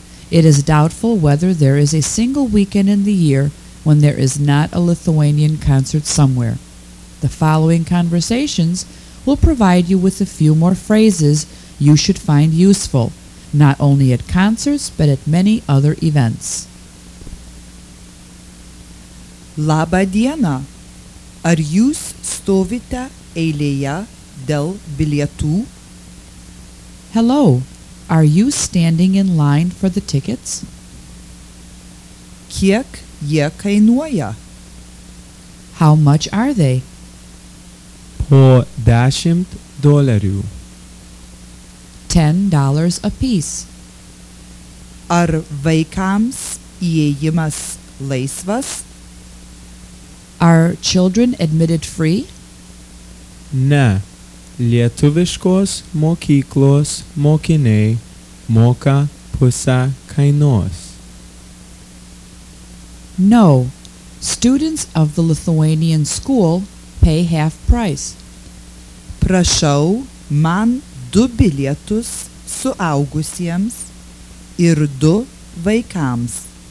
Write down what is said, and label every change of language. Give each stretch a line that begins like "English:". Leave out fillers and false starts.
English: It is doubtful whether there is a single weekend in the year when there is not a Lithuanian concert somewhere. The following conversations will provide you with a few more phrases you should find useful, not only at concerts, but at many other events.
Lithuanian: Labą dieną. Ar jūs stovite eilėje dėl bilietų?
English: Hello. Are you standing in line for the tickets?
Lithuanian: Kiek jie kainuoja?
English: How much are they?
Lithuanian: Po $10.
English: $10 a piece.
Lithuanian: Ar vaikams įėjimas laisvas?
English: Are children admitted free?
Lithuanian: Ne. Lietuviškos mokyklos mokiniai moka pusę kainos.
English: No. Students of the Lithuanian school pay half price.
Lithuanian: Prašau, man du bilietus suaugusiems ir du vaikams.